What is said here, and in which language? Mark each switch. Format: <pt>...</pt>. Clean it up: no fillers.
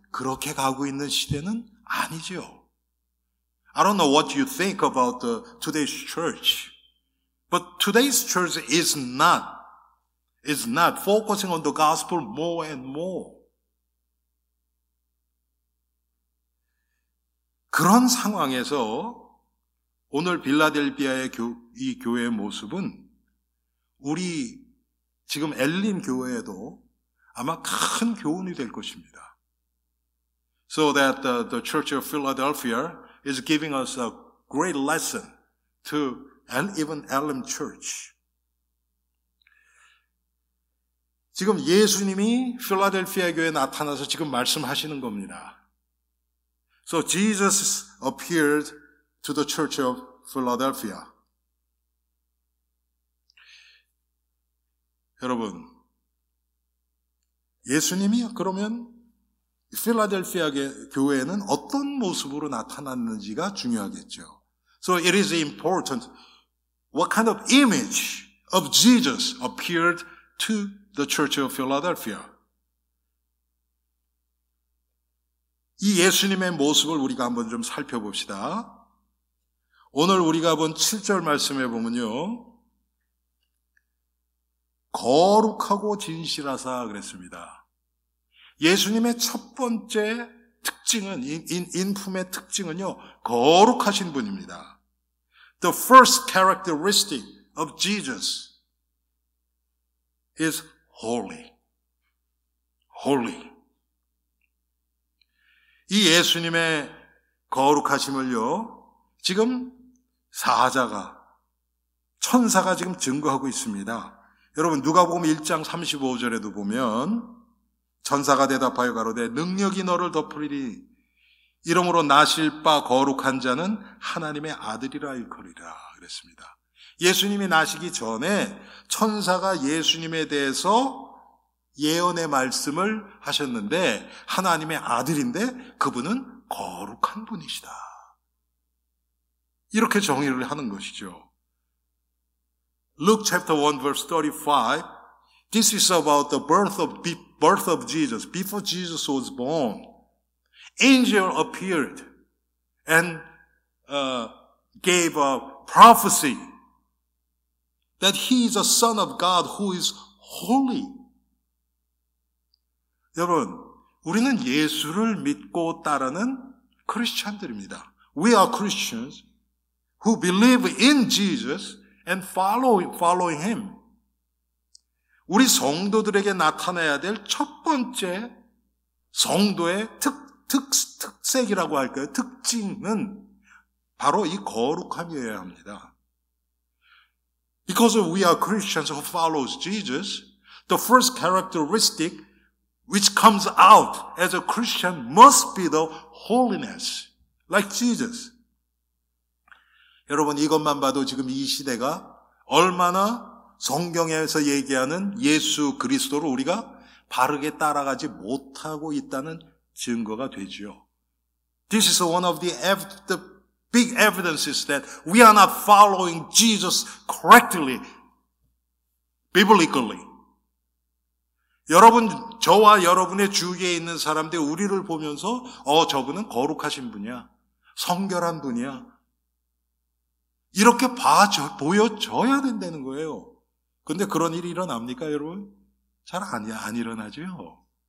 <ko>그렇게 가고 있는 시대는 아니지요.</ko> <en>I don't know what you think about today's church, but today's church is not focusing on the gospel more and more.</en> <ko>그런 상황에서 오늘 빌라델비아의 이 교회의 모습은 우리 지금 엘림 교회에도 아마 큰 교훈이 될 것입니다.</ko> <en>So that the Church of Philadelphia is giving us a great lesson to and even Elim Church.</en> <ko>지금 예수님이 필라델피아 교회에 나타나서 지금 말씀하시는 겁니다.</ko> <en>So Jesus appeared to the Church of Philadelphia.</en> <ko>여러분, 예수님이 그러면 필라델피아 교회에는 어떤 모습으로 나타났는지가 중요하겠죠.</ko> <en>So it is important what kind of image of Jesus appeared to the Church of Philadelphia.</en> <ko>이 예수님의 모습을 우리가 한번 좀 살펴봅시다. 오늘 우리가 본 7절 말씀에 보면요. 거룩하고 진실하사 그랬습니다. 예수님의 첫 번째 특징은 인품의 특징은요. 거룩하신 분입니다.</ko> <en>The first characteristic of Jesus is holy. Holy.</en> <ko>이 예수님의 거룩하심을요. 지금 사자가 천사가 지금 증거하고 있습니다. 여러분 누가복음 1장 35절에도 보면 천사가 대답하여 가로되 능력이 너를 덮으리니 이러므로 나실 바 거룩한 자는 하나님의 아들이라 일컬이라 그랬습니다. 예수님이 나시기 전에 천사가 예수님에 대해서 예언의 말씀을 하셨는데 하나님의 아들인데 그분은 거룩한 분이시다. 이렇게 정의를 하는 것이죠.</ko> <en>Luke chapter 1 verse 35. This is about the birth of Jesus. Before Jesus was born, angel appeared and gave a prophecy that he is a son of God who is holy.</en> <ko>여러분, 우리는 예수를 믿고 따르는 크리스찬들입니다.</ko> <en>We are Christians who believe in Jesus and follow him.</en> <ko>우리 성도들에게 나타나야 될 첫 번째 성도의 특색이라고 할까요? 특징은 바로 이 거룩함이어야 합니다.</ko> <en>Because we are Christians who follow Jesus, the first characteristic which comes out as a Christian must be the holiness, like Jesus.</en> <ko>여러분 이것만 봐도 지금 이 시대가 얼마나 성경에서 얘기하는 예수 그리스도를 우리가 바르게 따라가지 못하고 있다는 증거가 되죠.</ko> <en>This is one of the big evidences that we are not following Jesus correctly, biblically.</en> <ko>여러분, 저와 여러분의 주위에 있는 사람들 우리를 보면서 저분은 거룩하신 분이야, 성결한 분이야 이렇게 보여줘야 된다는 거예요. 근데 그런 일이 일어납니까, 여러분? 잘 안 일어나죠.</ko>